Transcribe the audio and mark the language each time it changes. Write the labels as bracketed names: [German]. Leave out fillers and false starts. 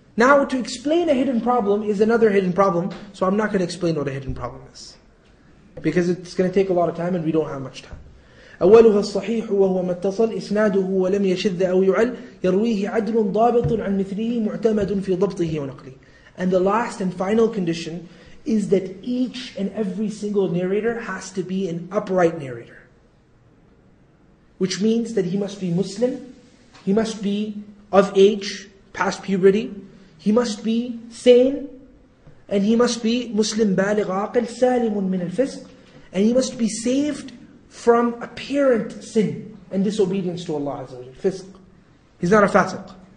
[English] Now, to explain a hidden problem is another hidden problem, so I'm not going to explain what a hidden problem is. Because it's going to take a lot of time and we don't have much time. [Arabic] أولها الصحيح وهو ما اتصل إسناده ولم يشذ أو يعل يرويه عدل ضابط عن مثله معتمد في ضبطه ونقله. [English] And the last and final condition is that each and every single narrator has to be an upright narrator. Which means that he must be Muslim, he must be of age, past puberty, he must be sane, and he must be Muslim [Arabic] بالغ عاقل سالم من الفسق, [English] and he must be saved from apparent sin and disobedience to Allah Azza wa Jalla. Fisq. He's not a fasiq.